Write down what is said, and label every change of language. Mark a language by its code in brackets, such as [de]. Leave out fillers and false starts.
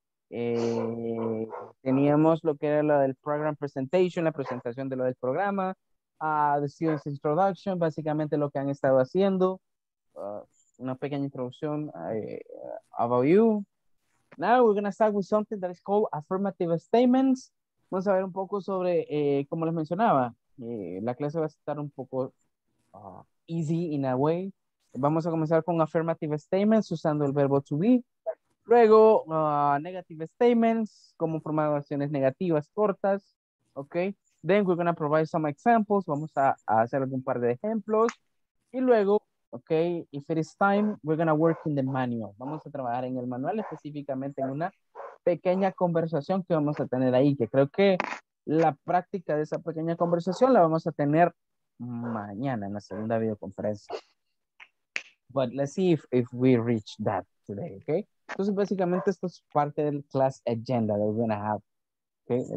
[es] Teníamos lo que era lo del program presentation, la presentación de lo del programa, [en] the students introduction, [es] básicamente lo que han estado haciendo, una pequeña introducción [en] about you. Now we're going to start with something that is called affirmative statements. [es] Vamos a ver un poco sobre, como les mencionaba, la clase va a estar un poco [en] easy in a way, [es] vamos a comenzar con affirmative statements usando el verbo to be. Luego, negative statements, como formar oraciones negativas cortas, ¿ok? [en] Then we're going to provide some examples. [es] Vamos a hacer algún par de ejemplos. [en] Y luego, ¿ok? If it is time, we're going to work in the manual. [es] Vamos a trabajar en el manual, específicamente en una pequeña conversación que vamos a tener ahí, que creo que la práctica de esa pequeña conversación la vamos a tener mañana en la segunda videoconferencia. [en] But let's see if we reach that today, ¿ok? [es] Entonces, básicamente, esto es parte del [en] class agenda that we're going to have, ¿ok?